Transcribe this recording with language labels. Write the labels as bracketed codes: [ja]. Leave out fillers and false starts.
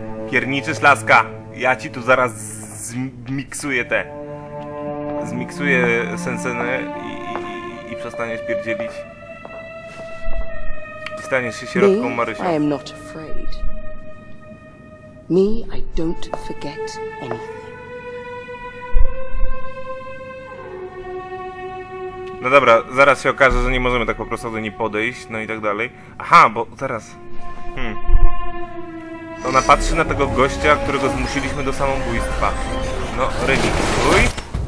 [pl] Pierniczysz, laska. Ja ci tu zaraz zmiksuję te. Zmiksuję senseny i przestaniesz pierdzielić. I staniesz się sierotką Marysią. [en] I am not afraid. Me, I don't forget anything. [pl] No dobra, zaraz się okaże, że nie możemy tak po prostu do niej podejść, no i tak dalej. Aha, bo zaraz. Ona patrzy na tego gościa, którego zmusiliśmy do samobójstwa. No, relikwuj.